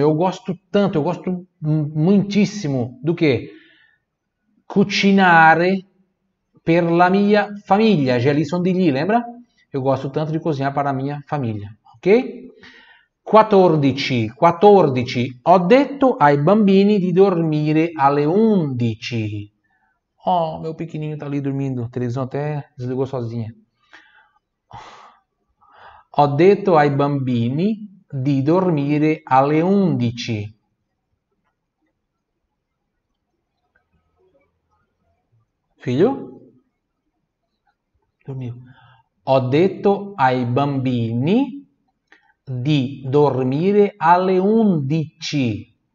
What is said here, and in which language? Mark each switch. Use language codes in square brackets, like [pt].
[pt] Eu gosto tanto, eu gosto muitíssimo do quê? [it] Cucinare per la mia famiglia. Gelison di lì, lembra? [pt] Eu gosto tanto de cozinhar para a minha família, ok? 14, 14. [it] Ho detto ai bambini di dormire alle 11. [pt] Oh, meu pequenininho tá ali dormindo. A televisão até desligou sozinha. [it] Ho detto ai bambini di dormire alle 11. Figlio? Dormiu. Ho detto ai bambini di dormire alle 11.